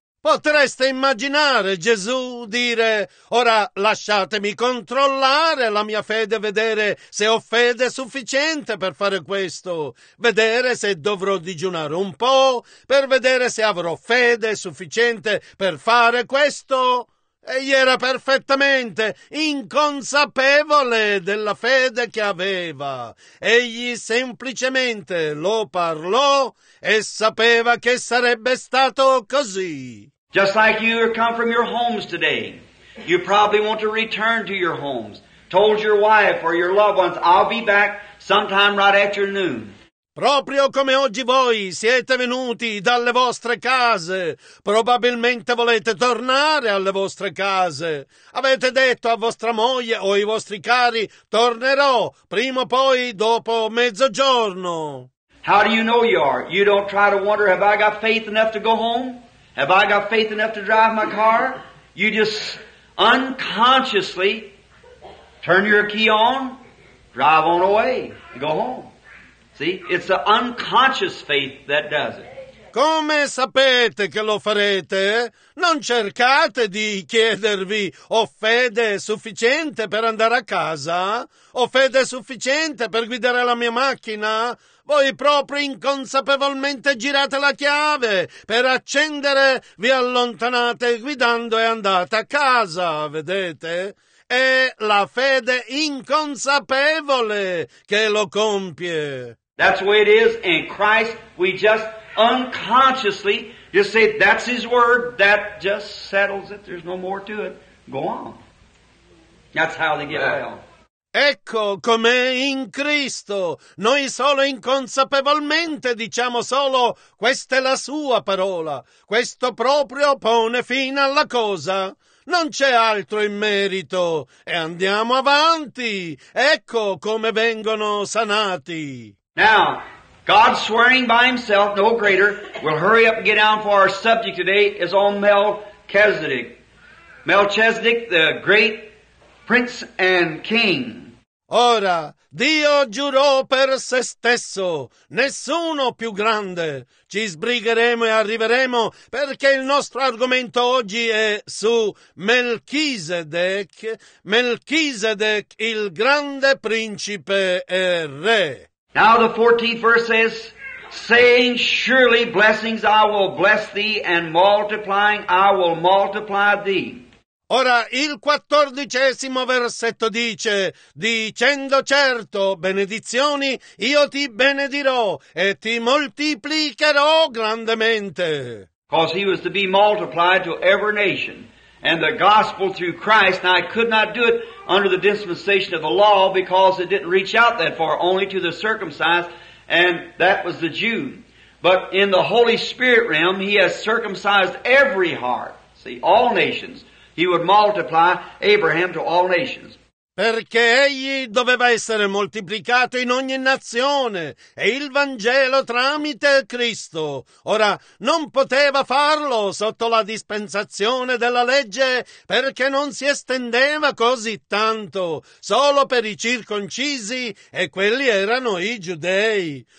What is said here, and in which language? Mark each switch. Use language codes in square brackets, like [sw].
[it] Potreste immaginare Gesù dire, ora lasciatemi controllare la mia fede, vedere se ho fede sufficiente per fare questo, vedere se dovrò digiunare un po', per vedere se avrò fede sufficiente per fare questo. Egli era perfettamente inconsapevole della fede che aveva. Egli semplicemente lo parlò e sapeva che sarebbe stato così. [en] Just like you come from your homes today, you probably want to return to your homes. Told your wife or your loved ones, I'll be back sometime right after noon. [it] Proprio come oggi voi siete venuti dalle vostre case, probabilmente volete tornare alle vostre case. Avete detto a vostra moglie o ai vostri cari, tornerò prima o poi dopo mezzogiorno. [en] How do you know you are? You don't try to wonder, have I got faith enough to go home? Have I got faith enough to drive my car? You just unconsciously turn your key on, drive on away, go home. See, it's the unconscious faith that does it. [it] Come sapete che lo farete? Non cercate di chiedervi, ho fede sufficiente per andare a casa? Ho fede sufficiente per guidare la mia macchina? Voi proprio inconsapevolmente girate la chiave per accendere, vi allontanate guidando e andate a casa, vedete? È la fede inconsapevole che lo compie. [en] That's the way it is. In Christ, we just unconsciously just say, that's his word. That just settles it. There's no more to it. Go on. That's how they get well. [it] Ecco com'è in Cristo. Noi solo inconsapevolmente diciamo solo, questa è la sua parola. Questo proprio pone fine alla cosa. Non c'è altro in merito. E andiamo avanti. Ecco come vengono sanati. [en] Now, God swearing by himself, no greater, we'll hurry up and get down for our subject today, is on Melchizedek. Melchizedek, the great prince and king. [it] Ora, Dio giurò per se stesso, nessuno più grande. Ci sbrigheremo e arriveremo, perché il nostro argomento oggi è su Melchizedek. Melchizedek, il grande principe e re. [en] Now the 14th verse says, saying, surely blessings I will bless thee, and multiplying I will multiply thee. [it] Ora il 14° versetto dice, dicendo certo benedizioni, io ti benedirò e ti moltiplicherò grandemente. [en] Because he was to be multiplied to every nation, and the gospel through Christ. Now, I could not do it under the dispensation of the law because it didn't reach out that far, only to the circumcised, and that was the Jew. But in the Holy Spirit realm, he has circumcised every heart. See, all nations. He would multiply Abraham to all nations. [it] Perché egli doveva essere moltiplicato in ogni nazione, e il Vangelo tramite Cristo. Ora, non poteva farlo sotto la dispensazione della legge, perché non si estendeva così tanto, solo per i circoncisi, e quelli erano i giudei.